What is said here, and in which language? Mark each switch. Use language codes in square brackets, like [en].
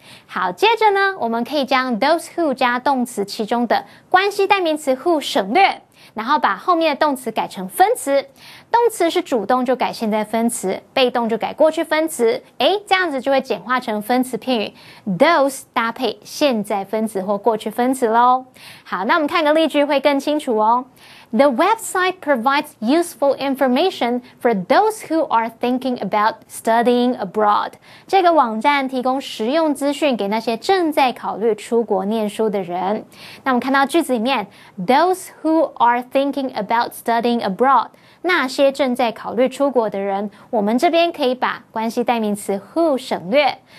[zh] 好，接着呢，我们可以将 those who 加动词其中的关系代名词 who 省略，然后把后面的动词改成分词。动词是主动就改现在分词，被动就改过去分词。诶，这样子就会简化成分词片语 those 搭配现在分词或过去分词咯。好，那我们看个例句会更清楚哦。 [en] The website provides useful information for those who are thinking about studying abroad. [zh] 这个网站提供实用资讯给那些正在考虑出国念书的人。那我们看到句子里面 , [en] those who are thinking about studying abroad, [zh] 那些正在考虑出国的人，我们这边可以把关系代名词 who 省略。